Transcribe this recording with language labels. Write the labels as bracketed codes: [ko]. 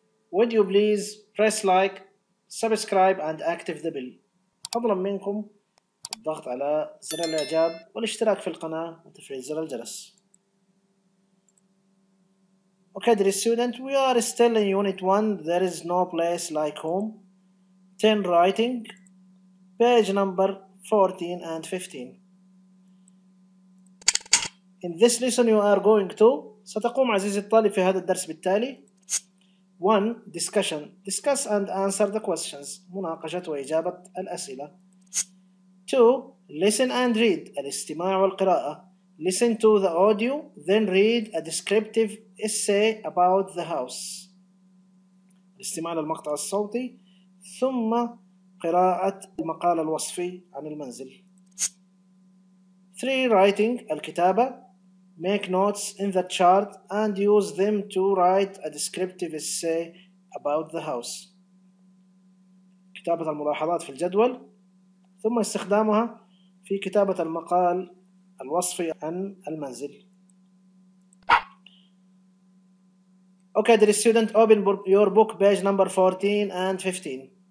[en] Would you please press like, subscribe and active the bell. [ar] فضلا منكم الضغط على زر الإعجاب والاشتراك في القناة وتفعيل زر الجرس. [en] Okay, dear student, we are still in unit 1. There is no place like home. 10 writing, page number 14 and 15. In this lesson you are going to [ar] ستقوم عزيزي الطالب في هذا الدرس بالتالي 1. [en] Discussion Discuss and answer the questions [ar] مناقشة وإجابة الأسئلة [en] 2. Listen and read [ar] الاستماع والقراءة [en] Listen to the audio then read a descriptive essay about the house [ar] الاستماع للمقطع الصوتي ثم قراءة المقال الوصفي عن المنزل [en] 3. Writing [ar] الكتابة [en] Make notes in the chart and use them to write a descriptive essay about the house. [ar] كتابة الملاحظات في الجدول ثم استخدامها في كتابة المقال الوصفي عن المنزل. [en] Okay, dear student, open your book page number 14 and 15.